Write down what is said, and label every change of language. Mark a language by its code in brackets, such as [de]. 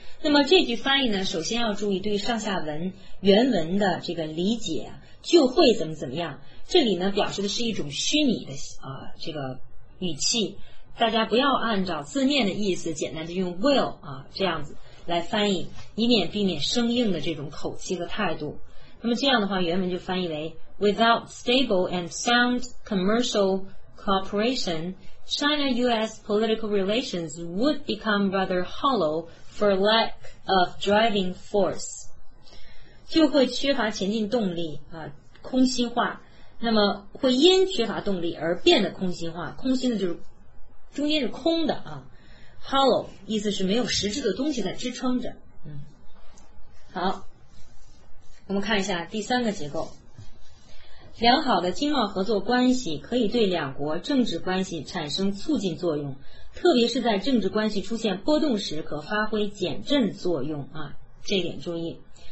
[zh] 那么这句翻译呢，首先要注意对上下文原文的这个理解。就会怎么怎么样，这里呢表示的是一种虚拟的这个语气，大家不要按照字面的意思简单的用 will 啊这样子来翻译，以免避免生硬的这种口气和态度。那么这样的话原文就翻译为 [en] Without stable and sound commercial cooperation, China-US political relations would become rather hollow for lack of driving force. [zh] 就会缺乏前进动力啊，空心化，那么会因缺乏动力而变得空心化，空心的就是中间是空的啊 ，hollow 意思是没有实质的东西在支撑着。嗯，好，我们看一下第三个结构，良好的经贸合作关系可以对两国政治关系产生促进作用，特别是在政治关系出现波动时可发挥减震作用啊，这一点注意。